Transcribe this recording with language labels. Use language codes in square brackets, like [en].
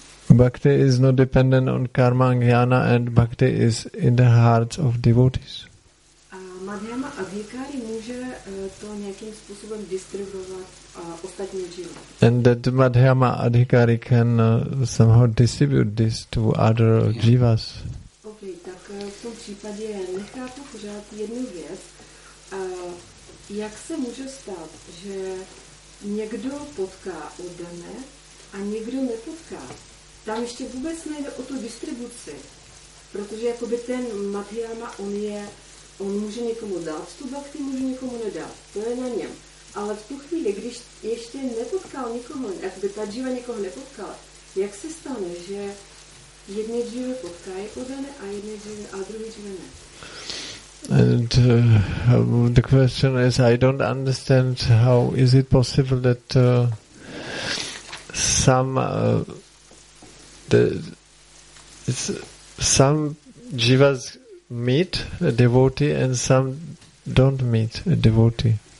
[en] Bhakti is not dependent on karma and jnana, and bhakti is in the hearts of devotees. [cs] Madhyama adhikari může to nějakým způsobem distribuovat ostatní jivy. [en] And that Madhyama adhikari can somehow distribute this to other jivas. [cs] Okay, tak v tom případě nechápu pořád jednu věc. Jak se může stát, že někdo potká oddané a někdo nepotká? Tam ještě vůbec nejde o tu distribuci, protože jakoby ten Madhyama, on je... On může někomu dát tu bhakti, může někomu nedat. To je na něm. Ale v tu chvíli, když ještě nepotkal nikoho, jakby ta džíva někoho nepotkala, jak se stane, že jedné džíve potká jako dane a jedné džíve a druhé džíve ne? [en] And the question is, I don't understand how is it possible that some jivas meet a devotee and some don't meet a devotee.